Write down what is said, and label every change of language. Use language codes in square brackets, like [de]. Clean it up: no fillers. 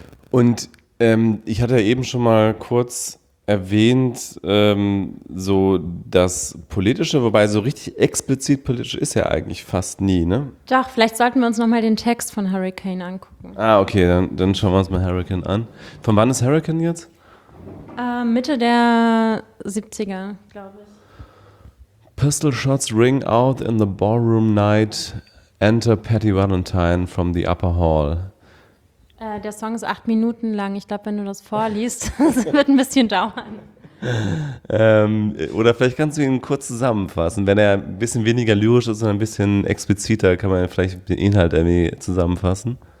[de] Und ich hatte ja eben schon mal kurz erwähnt, so das Politische, wobei so richtig explizit politisch ist ja eigentlich fast nie, ne? Doch, vielleicht sollten wir uns nochmal den Text von Hurricane angucken. Ah, okay, dann schauen wir uns mal Hurricane an. Von wann ist Hurricane jetzt? Mitte der 70er, glaube ich. [en] Pistol shots ring out in the ballroom night. Enter Patty Valentine from the upper hall. [de] Der Song ist 8 Minuten lang. Ich glaube, wenn du das vorliest, das wird ein bisschen dauern. Oder vielleicht kannst du ihn kurz zusammenfassen. Wenn er ein bisschen weniger lyrisch ist und ein bisschen expliziter, kann man vielleicht den Inhalt irgendwie zusammenfassen.